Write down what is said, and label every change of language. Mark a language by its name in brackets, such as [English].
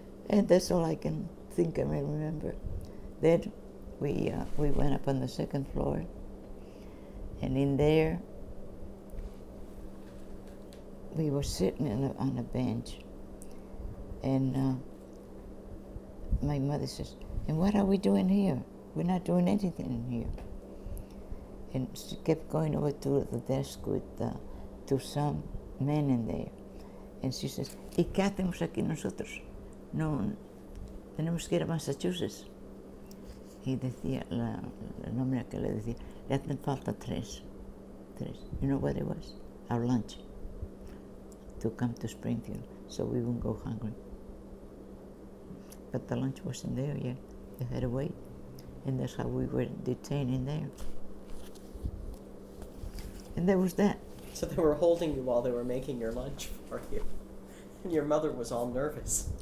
[English] And that's all I can think of and remember. Then we went up on the second floor, and in there we were sitting on a bench, and my mother says, "And what are we doing here? We're not doing anything in here." And she kept going over to the desk with to some men in there, and she says, [Spanish] "¿Y qué hacemos aquí nosotros? No, tenemos que ir a Massachusetts." Y decía, la nombre que le decía, le hacen falta tres. [English] You know what it was? Our lunch. To come to Springfield, so we wouldn't go hungry. But the lunch wasn't there yet. They had to wait. And that's how we were detained in there. And there was that. So they were holding you while they were making your lunch for you. And your mother was all nervous.